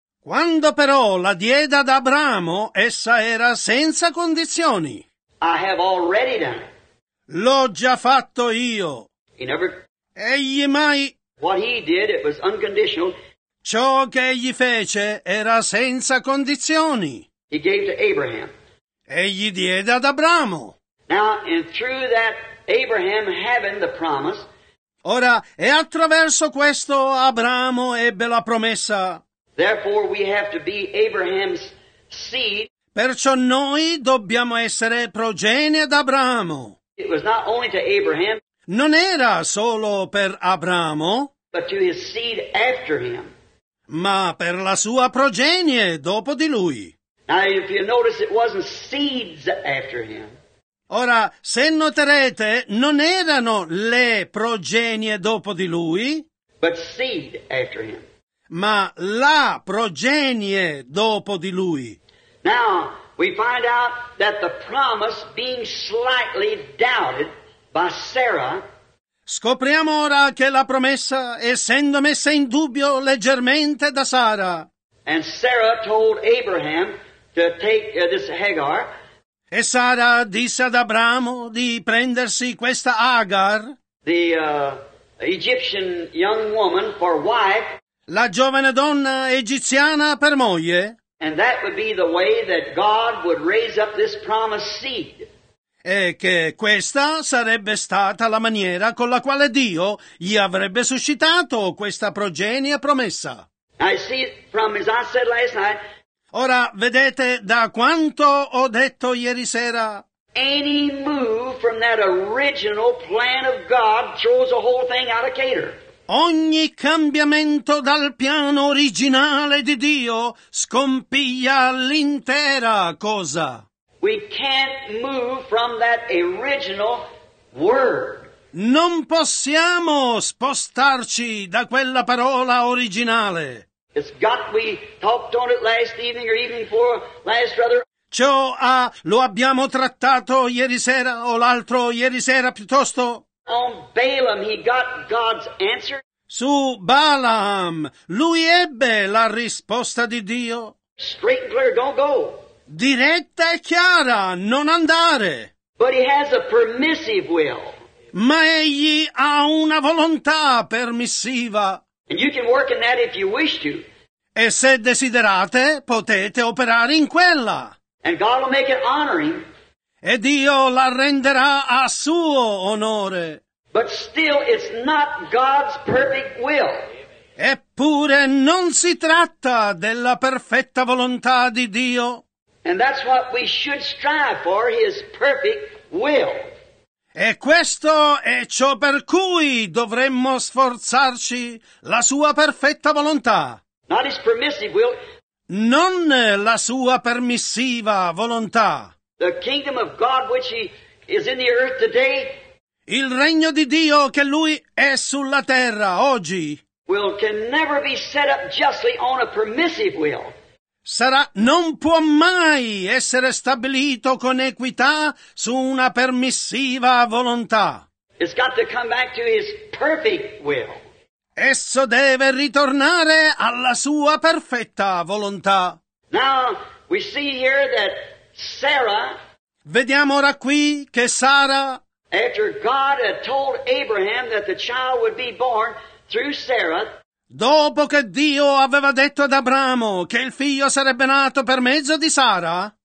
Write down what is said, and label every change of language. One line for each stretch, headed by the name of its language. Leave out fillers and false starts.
Italian: Quando però la diede ad Abramo, essa era senza condizioni.
English: I have already done it.
Italian: L'ho già fatto io.
English: He never.
Italian: Egli mai.
English: What he did, it was unconditional.
Italian: Ciò che egli fece era senza condizioni.
English: He gave to Abraham.
Italian: Egli diede ad Abramo.
English: Now, and through that Abraham having the promise.
Italian: Ora, e attraverso questo Abramo ebbe la promessa.
English: Therefore, we have to be Abraham's seed.
Italian: Perciò noi dobbiamo essere progenie d'Abramo.
English: It was not only to Abraham.
Italian: Non era solo per Abramo.
English: But to his seed after him.
Italian: Ma per la sua progenie dopo di lui.
English: Now, if you notice, it wasn't seeds after him.
Italian: Ora, se noterete, non erano le progenie dopo di lui.
English: But seed after him.
Italian: Ma la progenie dopo di lui.
English: Now, we find out that the promise being slightly doubted by Sarah.
Italian: Scopriamo ora che la promessa, essendo messa in dubbio leggermente da Sara.
English: And Sarah told Abraham to take this Hagar.
Italian: E Sara disse ad Abramo di prendersi questa Agar.
English: The Egyptian young woman for wife.
Italian: La giovane donna egiziana per moglie.
English: And that would be the way that God would raise up this promised seed.
Italian: E che questa sarebbe stata la maniera con la quale Dio gli avrebbe suscitato questa progenie promessa.
English: I see from as I said last night.
Italian: Ora vedete da quanto ho detto ieri sera.
English: Any move from that original plan of God throws the whole thing out of cater.
Italian: Ogni cambiamento dal piano originale di Dio scompiglia l'intera cosa.
English: We can't move from that original word.
Italian: Non possiamo spostarci da quella parola originale.
English: It's got, we talked on it last evening or evening before last rather.
Italian: Ciò lo abbiamo trattato ieri sera o l'altro ieri sera piuttosto.
English: On Balaam, he got God's answer.
Italian: Su Balaam, lui ebbe la risposta di Dio.
English: Straight and clear, don't go.
Italian: Diretta e chiara, non andare.
English: But he has a permissive will.
Italian: Ma egli ha una volontà permissiva.
English: And you can work in that if you wish to.
Italian: E se desiderate, potete operare in quella.
English: And God will make it honoring.
Italian: E Dio la renderà a suo onore.
English: But still it's not God's perfect will.
Italian: Eppure non si tratta della perfetta volontà di Dio.
English: And that's what we should strive for, his perfect will.
Italian: E questo è ciò per cui dovremmo sforzarci, la sua perfetta volontà.
English: Not his permissive will.
Italian: Non la sua permissiva volontà.
English: The kingdom of God which he is in the earth today.
Italian: Il regno di Dio che lui è sulla terra oggi.
English: Will can never be set up justly on a permissive will.
Italian: Sarà, non può mai essere stabilito con equità su una permissiva volontà.
English: It's got to come back to his perfect will.
Italian: Esso deve ritornare alla sua perfetta volontà.
English: Now, we see here that Sarah,
Italian: vediamo ora qui che Sara,
English: after God had told Abraham that the child would be born through Sarah,
Italian: dopo che Dio aveva detto ad Abramo che il figlio sarebbe nato per mezzo di Sara,